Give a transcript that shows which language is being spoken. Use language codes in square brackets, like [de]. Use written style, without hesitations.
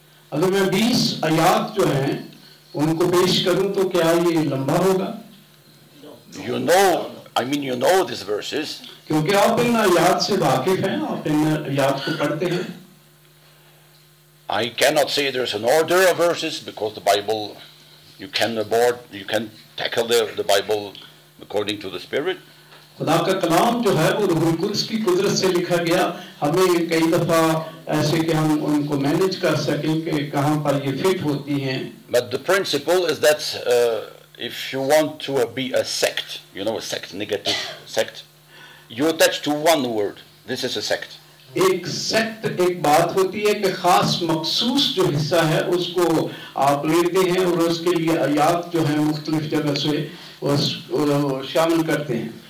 [hi] अगर मैं 20 आयत जो हैं, उनको पेश करूं तो क्या ये लंबा होगा? [en] You know, I mean, you know these verses. [hi] क्योंकि आप इन आयत से वाकिफ हैं, आप इन आयत को पढ़ते हैं. [en] I cannot say there's an order of verses because the Bible, you can tackle the Bible according to the Spirit. [hi] खुदा का कलाम जो है वो रूह कुदस की कुदरत से लिखा गया हमें कई दफा ऐसे कि हम उनको मैनेज कर सकें कि कहां पर ये फिट होती हैं [en] but the principle is that if you want to be a sect you know a sect negative sect you attach to one word this is a sect [hi] एक सेक्ट एक बात होती है कि खास मखसूस जो हिस्सा है उसको आप लेते हैं और उसके लिए आयत जो है मुख्तलिफ जगह से उस शामिल करते हैं